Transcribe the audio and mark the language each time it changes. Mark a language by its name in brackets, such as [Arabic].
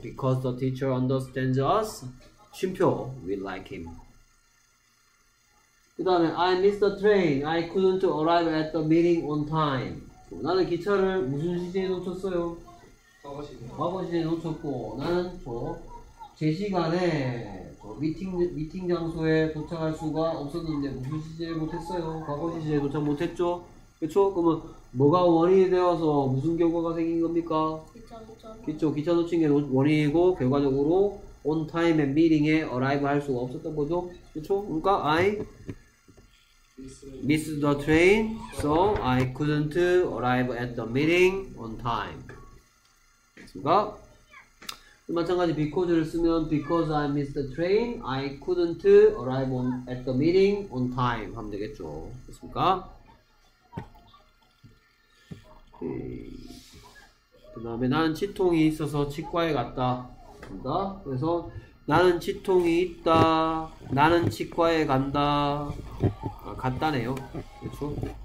[English] Because the teacher understands us, 쉼표, we like him. [Korean] 그 다음에 [English] I missed the train. I couldn't arrive at the meeting on time. [Korean] 나는 기차를 무슨 시즌에 놓쳤어요? 과거 시즌에 놓쳤고 나는 제 시간에 미팅 장소에 도착할 수가 없었는데 무슨 시즌에 못했어요? 과거 시즌에 도착 못했죠? 그렇죠? 그러면 뭐가 원인이 되어서 무슨 결과가 생긴 겁니까? 기차 놓친 게 원인이고 결과적으로 [English] on time and meeting [Korean] 에 arrive 할 수가 없었던 거죠. 그렇죠? 그러니까 [English] I missed the train, so I couldn't arrive at the meeting on time. [Korean] 그렇습니까? [English] 마찬가지 because를 쓰면 because I missed the train, I couldn't arrive at the meeting on time [Korean] 하면 되겠죠. 그렇습니까? 그 다음에 나는 치통이 있어서 치과에 갔다. 그래서 나는 치통이 있다. 나는 치과에 간다. 아, 갔다네요. 그렇죠?